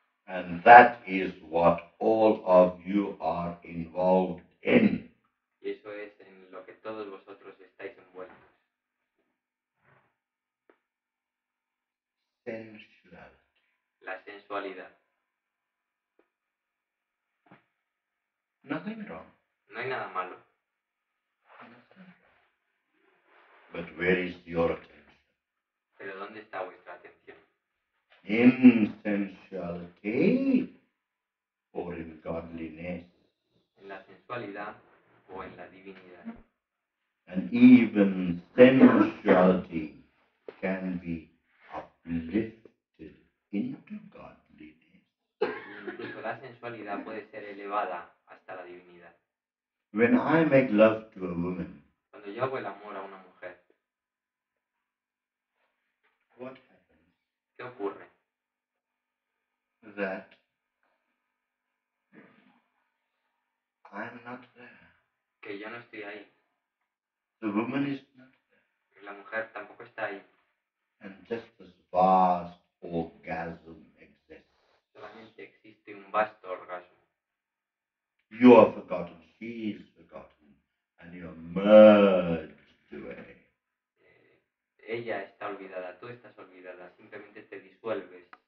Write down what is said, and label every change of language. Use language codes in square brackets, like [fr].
[en] And that is what all of you are involved in. [es] Y eso es en lo que todos vosotros estáis envueltos. [en] Sensuality. [es] La sensualidad. [en] Nothing wrong. [es] No hay nada malo. [en] But where is your attention? [es] Pero ¿dónde está vuestra atención? [en] In sensuality or in godliness. [es] En la sensualidad o en la divinidad. [en] And even sensuality can be uplifted into godliness. [es] Incluso la sensualidad puede ser elevada hasta la divinidad. [en] When I make love to a woman. [es] Cuando yo hago el amor a una mujer. [en] What happens? [es] ¿Qué ocurre? [en] That I'm not there. [es] Que yo no estoy ahí. [en] The woman is not there. [es] La mujer tampoco está ahí. [en] And just this vast orgasm exists. [es] Solamente existe un vasto orgasmo. [en] You are forgotten, she is forgotten, and you are merged away. [es] Ella está olvidada, tú estás olvidada, simplemente te disuelves.